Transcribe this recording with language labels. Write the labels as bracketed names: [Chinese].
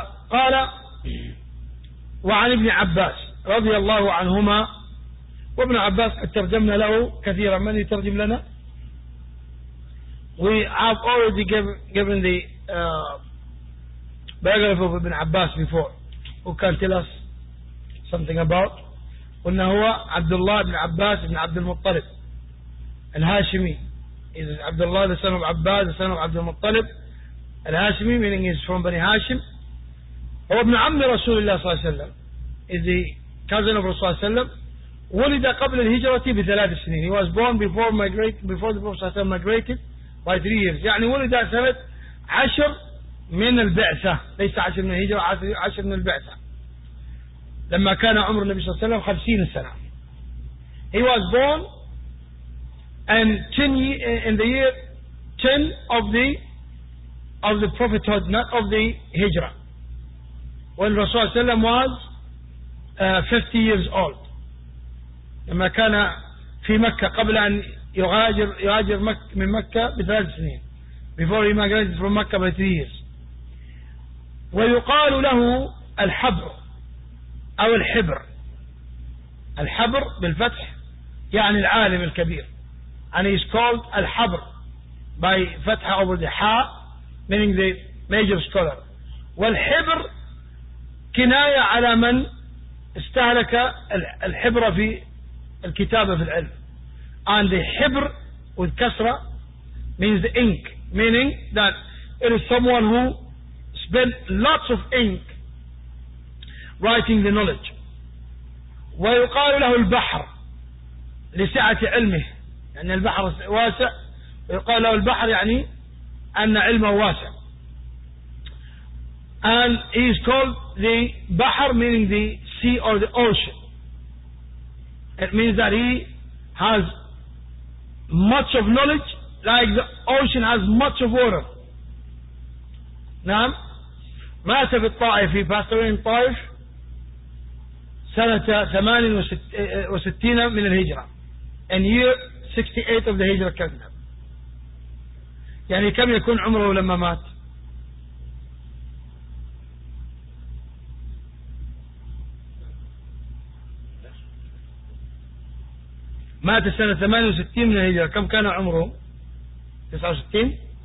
[Arabic] قال وعن ابن عباس رضي الله عنهما. وابن عباس ترجمنا له كثيرا، من يترجم لنا؟ [English] We have already given the biography of Ibn Abbas before. Who can tell us something about? [Arabic] قلنا هو عبد الله بن عباس بن عبد المطلب الهاشمي. [English] Is عبد الله the son of Abbas, the son of عبد المطلب الهاشمي, meaning he's from Bani Hashim. [Arabic] هو ابن عم رسول الله صلى الله عليه وسلم. [English] Is the cousin of Rasulullah [Arabic] صلى الله عليه وسلم. ولد قبل الهجرة بثلاث سنين. [English] He was born before the Prophet [Arabic] صلى الله عليه وسلم [English] migrated. By 3 years. [Arabic] يعني ولد سنة 10 من البعثة، ليس 10 من الهجرة، 10 من البعثة، لما كان عمر النبي صلى الله عليه وسلم 50 سنة. [English] He was born and 10 in the year 10 of the prophethood, not of the hijra, when Rasulullah [Arabic] صلى الله عليه وسلم [English] was 50 years old. [Arabic] لما كان في مكة قبل أن يهاجر من مكة بثلاث سنين. [English] Before he migrated from Mecca by 3 years. [Arabic] ويقال له الحبر أو الحبر. الحبر بالفتح يعني العالم الكبير. [English] And he is called الحبر by فتح over the حاء, meaning the major scholar. [Arabic] والحبر كناية على من استهلك الحبر في الكتابة في العلم. [English] And the حبر with كسره means the ink, meaning that it is someone who spent lots of ink writing the knowledge. [Arabic] ويقال له البحر لسعة علمه، يعني البحر واسع. ويقال له البحر يعني أن علمه واسع. [English] And he is called the بحر, meaning the sea or the ocean. It means that he has much of knowledge, like the ocean has much of water. [Arabic] نعم. مات في الطائف, [English] he passed away in Taif [Arabic] سنة 68 من الهجرة, [English] in year 68 of the هجرة calendar. [Arabic] يعني كم يكون عمره لما مات؟ مات السنة 68 من الهجرة, كم كان عمره؟ 69.